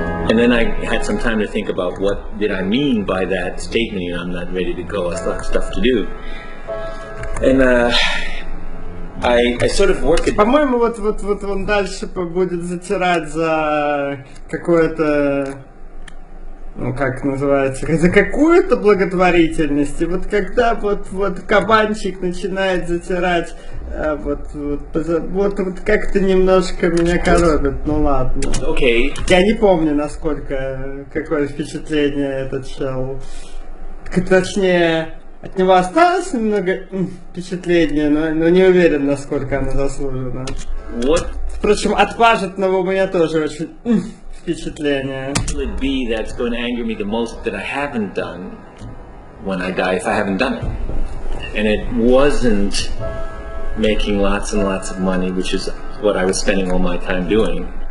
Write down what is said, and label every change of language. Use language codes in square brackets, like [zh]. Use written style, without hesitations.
[en] And then I had some time to think about what did I mean by that statement, you know, I'm not ready to go, I still have stuff to do. And I sort of work it. [ru] По-моему, вот он дальше будет затирать за какое-то, ну как называется, за какую-то благотворительность. И вот когда вот кабанчик начинает затирать, вот как-то немножко меня коробит. Ну ладно. [en] Okay. [ru] Я не помню, насколько какое впечатление этот чел. Точнее. От него осталось немного впечатление, но не уверен, насколько оно заслужено. [en] What? [ru] Впрочем, от пажетного у меня тоже очень впечатление. [en] Will it be that's going to anger me the most that I haven't done when I die if I haven't done it? And it wasn't making lots and lots of money, which is what I was spending all my time doing.